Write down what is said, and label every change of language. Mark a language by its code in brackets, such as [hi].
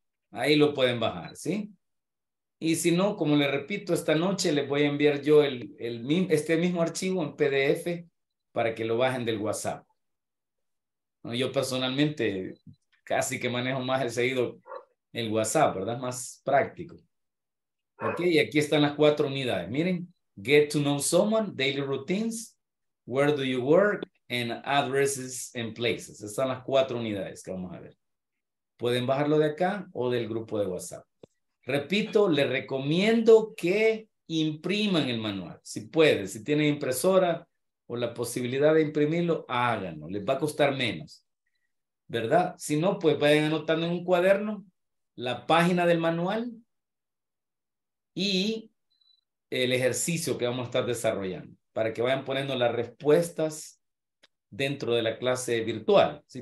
[es] Ahí lo pueden bajar, ¿sí? Y si no, como les repito, esta noche les voy a enviar yo este mismo archivo en PDF para que lo bajen del WhatsApp. Bueno, yo personalmente casi que manejo más el seguido el WhatsApp, ¿verdad? Es más práctico. Ok, y aquí están las cuatro unidades, miren. [en] Get to know someone, daily routines, where do you work, and addresses and places. [es] Estas son las cuatro unidades que vamos a ver. Pueden bajarlo de acá o del grupo de WhatsApp. Repito, les recomiendo que impriman el manual. Si pueden, si tienen impresora o la posibilidad de imprimirlo, háganlo. Les va a costar menos, ¿verdad? Si no, pues vayan anotando en un cuaderno la página del manual y el ejercicio que vamos a estar desarrollando para que vayan poniendo las respuestas dentro de la clase virtual, ¿sí?